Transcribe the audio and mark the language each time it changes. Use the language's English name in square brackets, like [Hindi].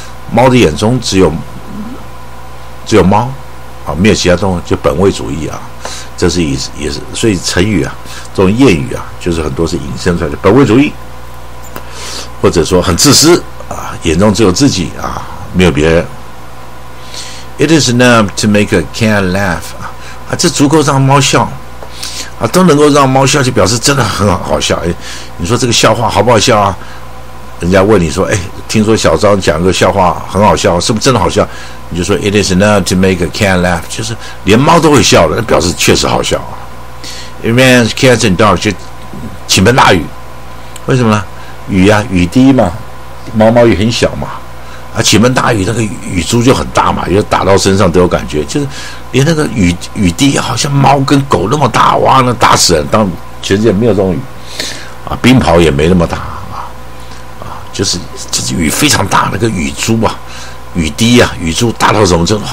[Chinese] 猫的眼中只有猫啊，没有其他动物，就本位主义啊，这是也是，所以成语啊，这种谚语啊，就是很多是引申出来的本位主义，或者说很自私啊，眼中只有自己啊，没有别人。 [English] It is enough to make a cat laugh. [Chinese] 啊，这足够让猫笑。啊，都能够让猫笑，就表示真的很好笑。哎，你说这个笑话好不好笑啊？人家问你说，哎，听说小张讲个笑话很好笑，是不是真的好笑？你就说 [English] It is enough to make a cat laugh. [Chinese] 就是连猫都会笑了，那表示确实好笑啊。 [English] It rains cats and dogs. [Chinese] 就倾盆大雨。为什么呢？雨呀，雨滴嘛，毛毛雨很小嘛，啊，倾盆大雨那个雨珠就很大嘛，就打到身上都有感觉，就是连那个雨滴好像猫跟狗那么大，哇，那打死人，当全世界没有这种雨，啊，冰雹也没那么大啊，啊，就是这雨非常大，那个雨珠啊，雨滴啊，雨珠大到什么程度？